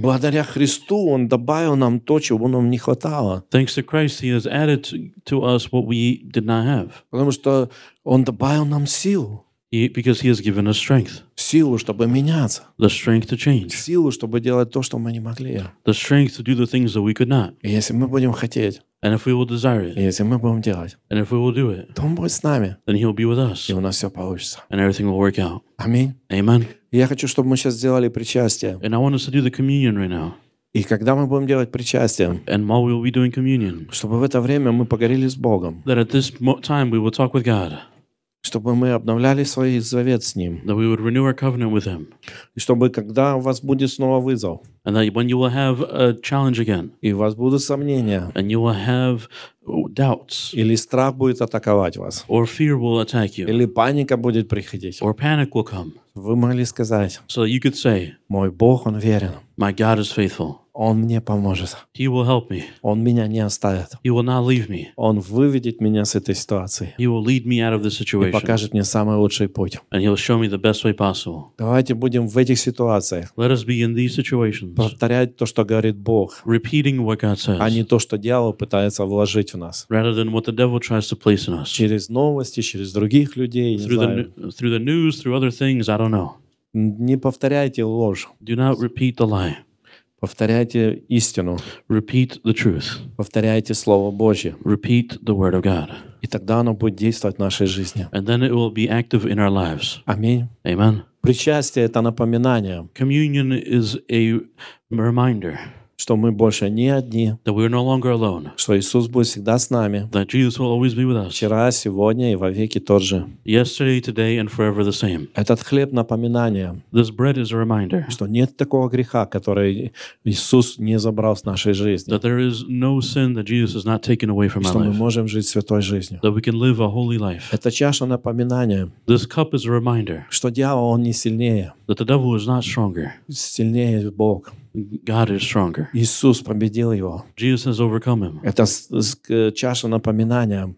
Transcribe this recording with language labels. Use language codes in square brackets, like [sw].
[ru] Благодаря Христу Он добавил нам то, чего нам не хватало. [en] Thanks to Christ, He has added to us what we did not have. [ru] Потому что Он добавил нам силу. [en] Because He has given us strength. [ru] Силу, чтобы меняться. [en] The strength to change. [ru] Силу, чтобы делать то, что мы не могли. [en] The strength to do the things that we could not. [ru] И если мы будем хотеть. [en] And if we will desire it. [ru] И если мы будем делать. [en] And if we will do it. [ru] То Он будет с нами. [en] Then He will be with us. [ru] И у нас все получится. [en] And everything will work out. [ru] Аминь. [en] Amen. [ru] Я хочу, чтобы мы сейчас сделали причастие. [en] And I want us to do the communion right now. [ru] И когда мы будем делать причастие, [en] and while we will be doing communion. [ru] Чтобы в это время мы поговорили с Богом. [en] That at this time we will talk with God. [ru] Чтобы мы обновляли свой завет с Ним. [en] That we would renew our covenant with Him. [ru] И чтобы когда у вас будет снова вызов. [en] And that when you will have a challenge again. [ru] И у вас будут сомнения. [en] And you will have doubts. [ru] Или страх будет атаковать вас. [en] Or fear will attack you. [ru] Или паника будет приходить. [en] Or panic will come. [ru] Вы могли сказать. [en] So that you could say. [ru] Мой Бог, Он верен. [en] My God is faithful. [ru] Он мне поможет. [en] He will help me. [ru] Он меня не оставит. [en] He will not leave me. [ru] Он выведет меня с этой ситуации. [en] He will lead me out of this situation. [ru] И покажет мне самый лучший путь. [en] And He'll show me the best way possible. [ru] Давайте будем в этих ситуациях. [en] Let us be in these situations. [ru] Повторять то, что говорит Бог. [en] Repeating what God says. [ru] А не то, что дьявол пытается вложить в нас. [en] Rather than what the devil tries to place in us. [ru] Через новости, через других людей. [en] Through the news, through other things, I don't know. [ru] Не повторяйте ложь. [en] Do not repeat the lie. [ru] Повторяйте истину. [en] Repeat the truth. [ru] Повторяйте Слово Божье. [en] Repeat the Word of God. [ru] И тогда оно будет действовать в нашей жизни. [en] And then it will be active in our lives. [ru] Аминь. [en] Amen. [ru] Причастие — это напоминание. [en] Communion is a reminder. [ru] Что мы больше не одни. [en] That we are no longer alone. [ru] Что Иисус будет всегда с нами. [en] That Jesus will always be with us. [ru] Вчера, сегодня и вовеки тот же. [en] Yesterday, today and forever the same. [ru] Этот хлеб — напоминание. [en] This bread is a reminder. [ru] Что нет такого греха, который Иисус не забрал с нашей жизни. [en] That there is no sin that Jesus has not taken away from our life. [ru] Что мы можем жить святой жизнью. [en] That we can live a holy life. [ru] Эта чаша — напоминание. [en] This cup is a reminder. [ru] Что дьявол, он не сильнее. [en] That the devil is not stronger. [ru] Сильнее Бог. [en] God is stronger. [ru] Иисус победил его. [en] Jesus has overcome him. [ru] Это чаша напоминания.